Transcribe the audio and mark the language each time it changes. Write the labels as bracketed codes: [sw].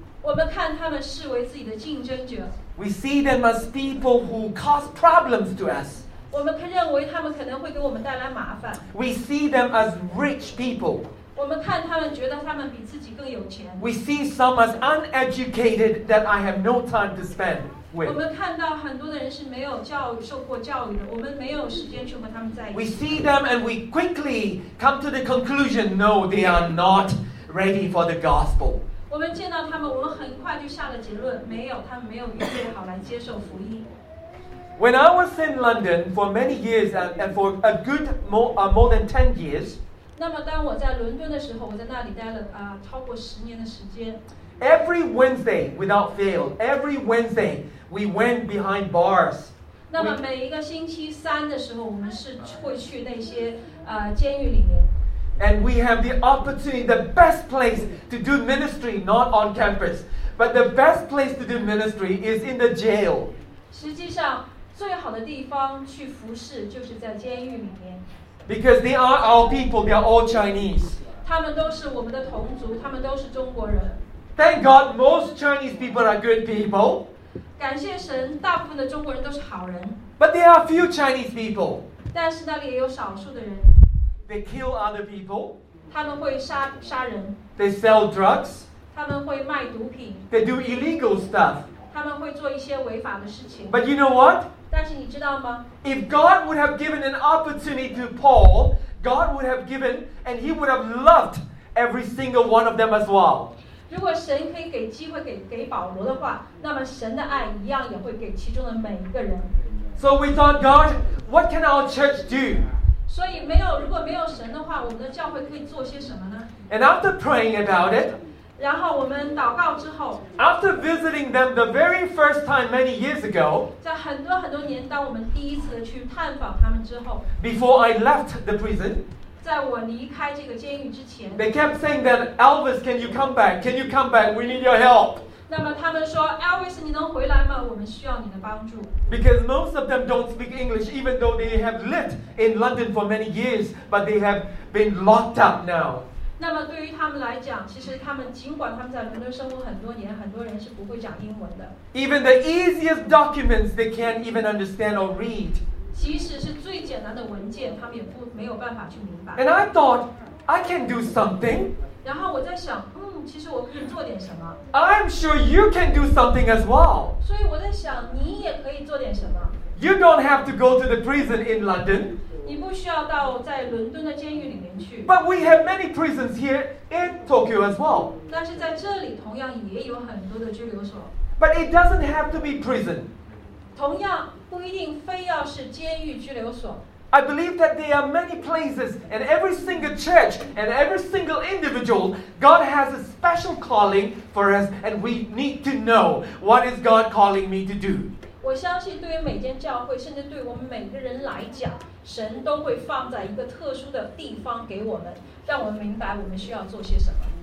[zh] 我们看他们视为自己的竞争者。 [en] We see them as people who cause problems to us. [zh] 我们认为他们可能会给我们带来麻烦。 [en] We see them as rich people. [zh] 我们看他们觉得他们比自己更有钱。 [en] We see some as uneducated that I have no time to spend with. [zh] 我们看到很多的人是没有教育、受过教育的，我们没有时间去和他们在一起。 [en] We see them and we quickly come to the conclusion, no, they are not ready for the gospel. [zh] 我们见到他们，我们很快就下了结论，没有，他们没有预备好来接受福音。 [en] When I was in London for many years and for a good more than 10 years, [zh] 那么当我在伦敦的时候，我在那里待了超过十年的时间。 [en] Every Wednesday, without fail, every Wednesday, we went behind bars. [zh] 那么每一个星期三的时候，我们是会去那些监狱里面。 [en] And we have the opportunity, the best place to do ministry, not on campus, but the best place to do ministry is in the jail. [zh] 实际上，最好的地方去服侍就是在监狱里面。 [en] Because they are our people, they are all Chinese. [zh] 他们都是我们的同族，他们都是中国人。 [en] Thank God, most Chinese people are good people. [zh] 感谢神，大部分的中国人都是好人。 [en] But there are few Chinese people. [zh] 但是那里也有少数的人。 [en] They kill other people. [zh] 他们会杀人。 [en] They sell drugs. [zh] 他们会卖毒品。 [en] They do illegal stuff. [zh] 他们会做一些违法的事情。 [en] But you know what? [zh] 但是你知道吗? [en] If God would have given an opportunity to Paul, God would have given and he would have loved every single one of them as well. [zh] 如果神可以给机会给保罗的话，那么神的爱一样也会给其中的每一个人。 [en] So we thought, God, what can our church do? [zh] 所以没有，如果没有神的话，我们的教会可以做些什么呢? [en] And after praying about it, [zh] 然后我们祷告之后, [en] after visiting them the very first time many years ago, [zh] 在很多很多年当我们第一次去探访他们之后, [en] before I left the prison, [zh] 在我离开这个监狱之前, [en] they kept saying that, Elvis, can you come back? Can you come back? We need your help. [zh] 那么他们说, Elvis, 你能回来吗?我们需要你的帮助。 [en] Because most of them don't speak English, even though they have lived in London for many years, but they have been locked up now. [zh] 那么对于他们来讲，其实他们尽管他们在伦敦生活很多年，很多人是不会讲英文的。 [en] Even the easiest documents they can't even understand or read. [zh] 即使是最简单的文件，他们也不没有办法去明白。 [en] And I thought I can do something. [zh] 然后我在想，其实我可以做点什么。 [en] I'm sure you can do something as well. [zh] 所以我在想，你也可以做点什么。 [en] You don't have to go to the prison in London. [zh] 你不需要到在伦敦的监狱里面去。 [en] But we have many prisons here in Tokyo as well. [zh] 但是在这里同样也有很多的拘留所。 [en] But it doesn't have to be prison. [zh] 同样不一定非要是监狱拘留所。 [en] I believe that there are many places and every single church and every single individual, God has a special calling for us and we need to know what is God calling me to do. [zh] 我相信对于每间教会甚至对我们每个人来讲神都会放在一个特殊的地方给我们让我们明白我们需要做些什么